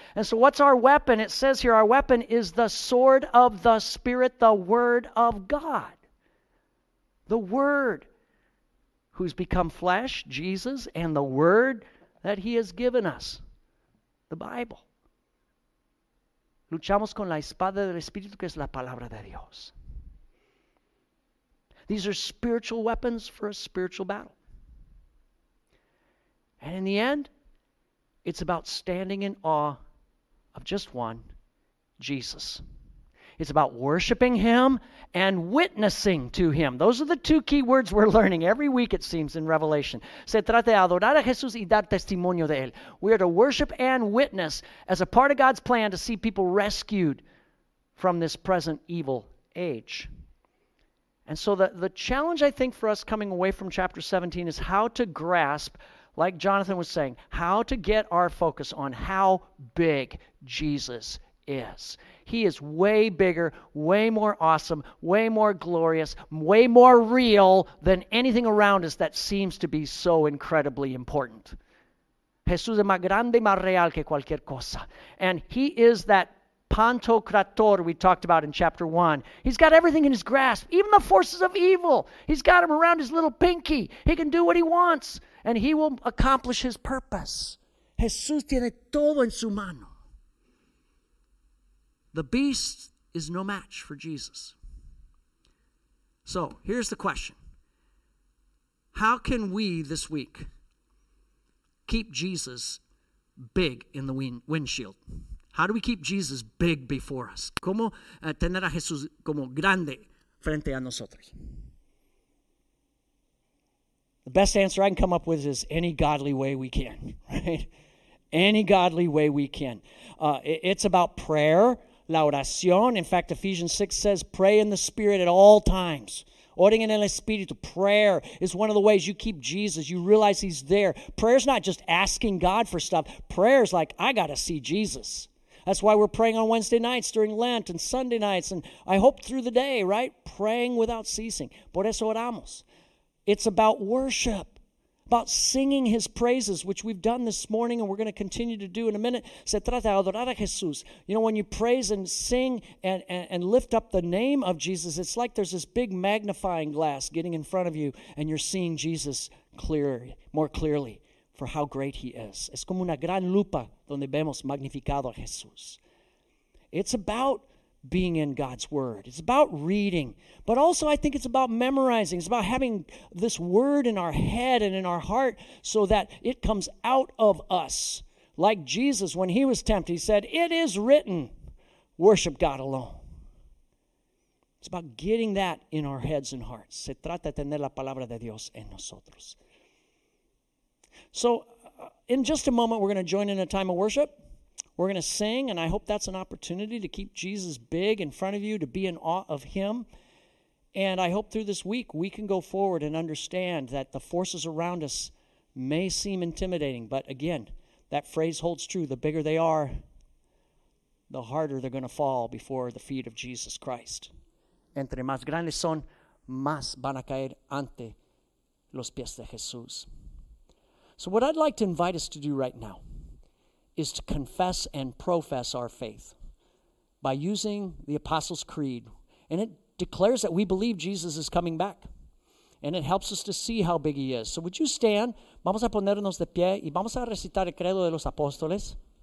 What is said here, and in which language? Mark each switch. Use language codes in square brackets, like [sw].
[en] And so what's our weapon? It says here our weapon is the sword of the Spirit, the Word of God. The Word who's become flesh, Jesus, and the Word that he has given us, the Bible. [es] Luchamos con la espada del Espíritu, que es la palabra de Dios. [en] These are spiritual weapons for a spiritual battle. And in the end, it's about standing in awe of just one, Jesus. It's about worshiping him and witnessing to him. Those are the two key words we're learning every week, it seems, in Revelation. [es] Se trata de adorar a Jesús y dar testimonio de él. [en] We are to worship and witness as a part of God's plan to see people rescued from this present evil age. And so the challenge, I think, for us coming away from chapter 17 is how to grasp, like Jonathan was saying, how to get our focus on how big Jesus is. He is way bigger, way more awesome, way more glorious, way more real than anything around us that seems to be so incredibly important. [es] Jesús es más grande y más real que cualquier cosa. [en] And he is that Pantocrator we talked about in chapter 1. He's got everything in his grasp, even the forces of evil. He's got them around his little pinky. He can do what he wants, and he will accomplish his purpose. [es] Jesús tiene todo en su mano. [en] The beast is no match for Jesus. So here's the question. How can we this week keep Jesus big in the windshield? How do we keep Jesus big before us? [es] ¿Cómo tener a Jesús como grande frente a nosotros? [en] The best answer I can come up with is any godly way we can. Right? Any godly way we can. It's about prayer, [es] la oración. [en] In fact, Ephesians 6 says, pray in the Spirit at all times. [es] Orando en el Espíritu, [en] prayer is one of the ways you keep Jesus. You realize he's there. Prayer is not just asking God for stuff. Prayer is like, I got to see Jesus. That's why we're praying on Wednesday nights during Lent and Sunday nights and I hope through the day, right? Praying without ceasing. [es] Por eso oramos. [en] It's about worship, about singing his praises, which we've done this morning and we're going to continue to do in a minute. [es] Se trata de adorar a Jesús. [en] You know, when you praise and sing and lift up the name of Jesus, it's like there's this big magnifying glass getting in front of you and you're seeing Jesus clearer, more clearly. For how great he is. [es] Es como una gran lupa donde vemos magnificado a Jesús. [en] It's about being in God's word. It's about reading. But also I think it's about memorizing. It's about having this word in our head and in our heart so that it comes out of us. Like Jesus, when he was tempted, he said, it is written, worship God alone. It's about getting that in our heads and hearts. [es] Se trata de tener la palabra de Dios en nosotros. [en] So in just a moment, we're going to join in a time of worship. We're going to sing, and I hope that's an opportunity to keep Jesus big in front of you, to be in awe of him. And I hope through this week, we can go forward and understand that the forces around us may seem intimidating. But again, that phrase holds true. The bigger they are, the harder they're going to fall before the feet of Jesus Christ. [es] Entre más grandes son, más van a caer ante los pies de Jesús. [en] So what I'd like to invite us to do right now is to confess and profess our faith by using the Apostles' Creed. And it declares that we believe Jesus is coming back. And it helps us to see how big he is. So would you stand? [es] Vamos a ponernos de pie y vamos a recitar el credo de los apóstoles.